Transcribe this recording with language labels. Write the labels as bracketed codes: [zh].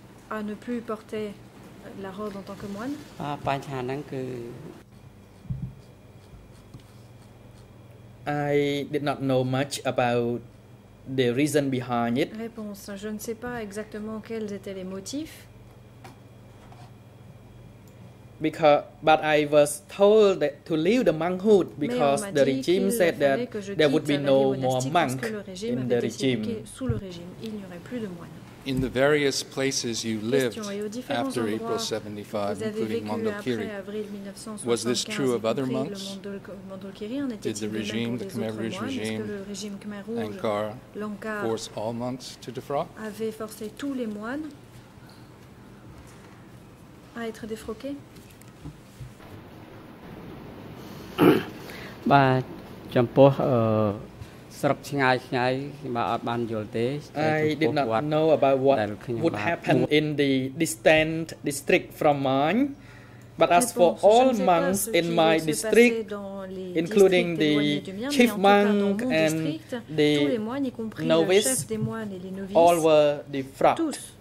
[fr] À ne plus porter la robe en tant que moine. Ah, pardon, que [en] I did not know much about the reason behind it. [fr] Réponse, je ne sais pas exactement quels étaient les motifs. [en] Because, but I was told that to leave the monkhood because the regime said that there would be no more monk in the regime. [fr] Sous le régime, il n'y aurait plus de moine. [en] In the various places you lived after April 75, including Mondulkiri, was this true of other monks? Did the regime, the Khmer Rouge regime, Angkar, force all monks to defrock? [fr] Avait forcé tous les moines à être défroqués? Bah, [en] I did not know about what would happen in the distant district from mine, but as for all monks in my district, including the chief monk and the novice, all were defrocked.